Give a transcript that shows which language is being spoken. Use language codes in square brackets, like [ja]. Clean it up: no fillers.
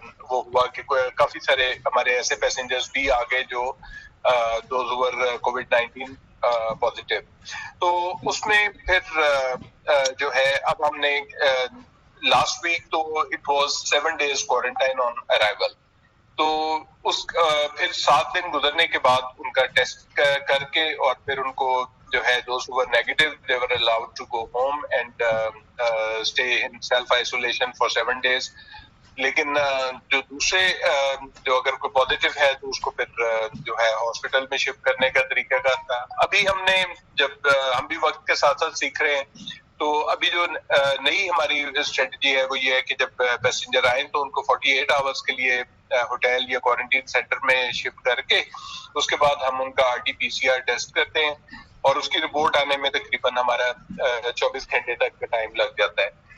[ur] وہ ہوا کہ کافی سارے ہمارے ایسے پیسنجرز بھی آ گئے جو [en] Those over COVID-19 positive. [ur] تو اس میں پھر جو ہے اب ہم نے لاسٹ ویک تو [en] it was 7 days quarantine on arrival, [ur] تو اس پھر 7 دن گزرنے کے بعد ان کا ٹیسٹ کر کے اور پھر ان کو جو ہے [en] those who were negative they were allowed to go home and stay in self isolation for 7 days. [ur] لیکن جو دوسرے جو اگر کوئی پازیٹیو ہے تو اس کو پھر جو ہے ہاسپٹل میں شفٹ کرنے کا طریقہ کار تھا. ابھی ہم نے جب ہم بھی وقت کے ساتھ ساتھ سیکھ رہے ہیں تو ابھی جو نئی ہماری اسٹریٹجی ہے وہ یہ ہے کہ جب پیسنجر آئیں تو ان کو 48 آورس کے لیے ہوٹل یا کوارنٹین سینٹر میں شفٹ کر کے اس کے بعد ہم ان کا are T P C R test کرتے ہیں اور اس کی رپورٹ آنے میں تقریباً ہمارا 24 گھنٹے تک کا ٹائم لگ جاتا ہے.